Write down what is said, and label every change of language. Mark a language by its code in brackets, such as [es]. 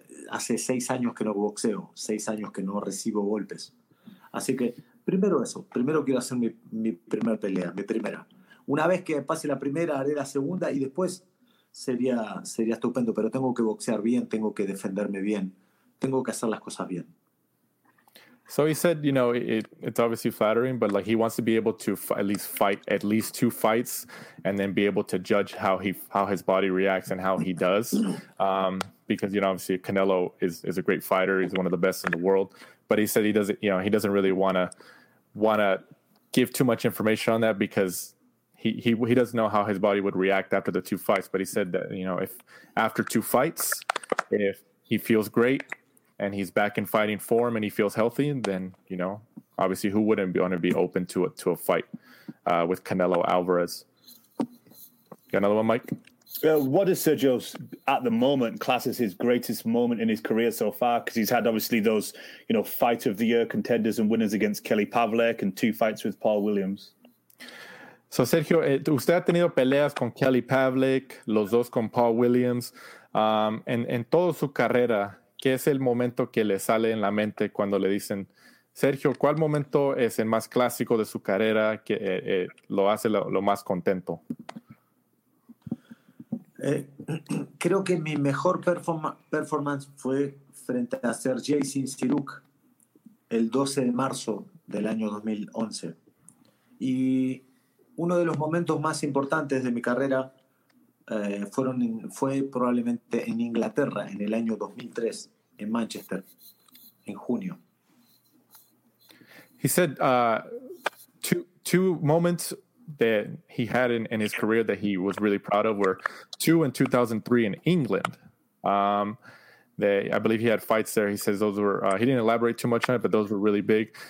[es] Hace 6 años que no boxeo, 6 años que no recibo golpes. Así que primero eso. Primero quiero hacer mi primer pelea, mi primera. Una vez que pase la primera, haré la segunda y después sería estupendo. Pero tengo que boxear bien, tengo que defenderme bien, tengo que hacer las cosas bien. [en] So he said, you know, it's obviously flattering, but like he wants to be able to at least fight at least two fights and then be able to judge how his body reacts and how he does. Because, you know, obviously Canelo is a great fighter. He's one of the best in the world. But he said he doesn't really want to give too much information on that because he doesn't know how his body would react after the two fights. But he said that, you know, if after two fights, if he feels great, and he's back in fighting form and he feels healthy, and then, you know, obviously who wouldn't want to be open to a fight with Canelo Alvarez? Got another one, Mike? What is Sergio's, at the moment, class as his greatest moment in his career so far? Because he's had, obviously, those, you know, fight of the year contenders and winners against Kelly Pavlik and two fights with Paul Williams. [es] So, Sergio, usted ha tenido peleas con Kelly Pavlik, los dos con Paul Williams, en toda su carrera. ¿Qué es el momento que le sale en la mente cuando le dicen, Sergio, ¿cuál momento es el más clásico de su carrera que lo hace lo más contento? Creo que mi mejor performance fue frente a Sergei Sinciruk el 12 de marzo del año 2011. Y uno de los momentos más importantes de mi carrera fue probablemente en Inglaterra en el año 2003. [en] In Manchester, in junio. He said two moments that he had in his career that he was really proud of were two in 2003 in England. I believe he had fights there. He says those were, he didn't elaborate too much on it, but those were really big.